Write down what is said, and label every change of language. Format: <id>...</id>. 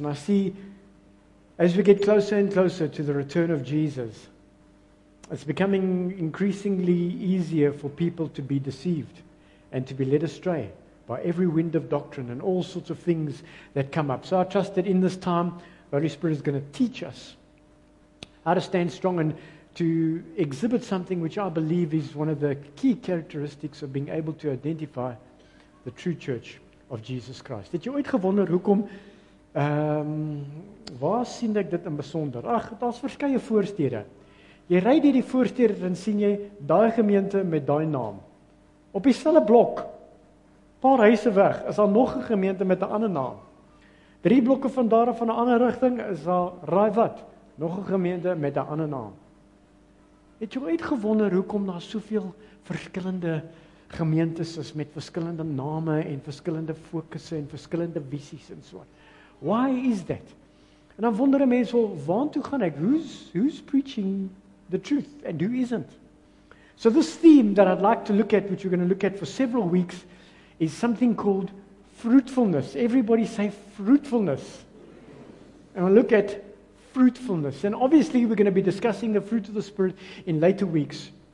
<en>And I see, as we get closer and closer to the return of Jesus, it's becoming increasingly easier for people to be deceived and to be led astray by every wind of doctrine and all sorts of things that come up. So I trust that in this time, the Holy Spirit is going to teach us how to stand strong and to exhibit something which I believe is one of the key characteristics of being able to identify the true church of Jesus Christ.</en> <af>Het jy ooit gewonder hoekom, waar sien ek dit in besonder? Ach, daar is verskeie voorstede. Jy ry deur die voorstede en sien jy daai gemeente met daai naam. Op dieselfde blok, paar huise weg, is daar nog 'n gemeente met 'n ander naam. Drie blokke van daar af van 'n ander rigting is daar, raai wat, nog 'n gemeente met 'n ander naam. Het jy ooit gewonder hoekom daar soveel verskillende gemeentes is met verskillende name en verskillende fokusse en verskillende visies en so?</af> <en>Why is that?</en> <af>En dan wonder 'n mens, wel, waartoe gaan ek?</af> <en>Who's preaching the truth and who isn't? So this theme that I'd like to look at, which we're going to look at for several weeks, is something called fruitfulness. Everybody say fruitfulness. And we'll look at fruitfulness. And obviously we're going to be discussing the fruit of the Spirit in later weeks.</en>